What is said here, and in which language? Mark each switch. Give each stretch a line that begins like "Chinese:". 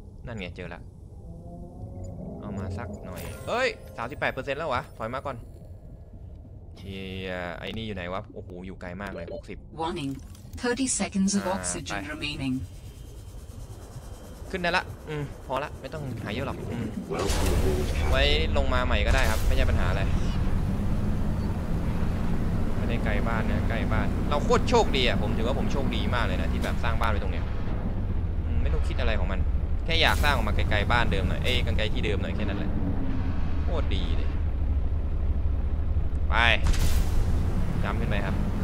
Thai: นั่นไงเจอละเอามาสักหน่อยเฮ้ย 38% แล้ววะถอยมาก่อนไอ้นี่อยู่ไหนวะโอ้โหอยู่ไกลมากเลย60
English: Warning 30 seconds of oxygen remaining
Thai: ขึ้นได้ละพอละไม่ต้องหายเยอะหรอกไว้ลงมาใหม่ก็ได้ครับไม่ใช่ปัญหาอะไรไม่ได้ไกลบ้านนะใกล้บ้านเราโคตรโชคดีอ่ะผมถือว่าผมโชคดีมากเลยนะที่แบบสร้างบ้านไว้ตรงเนี้ย ไม่ต้องคิดอะไรของมันแค่อยากสร้างออกมาไกลๆบ้านเดิมหน่อยไกลๆที่เดิมหน่อยแค่นั้นแหละโคตรดีเลยไปจำขึ้นไปครับ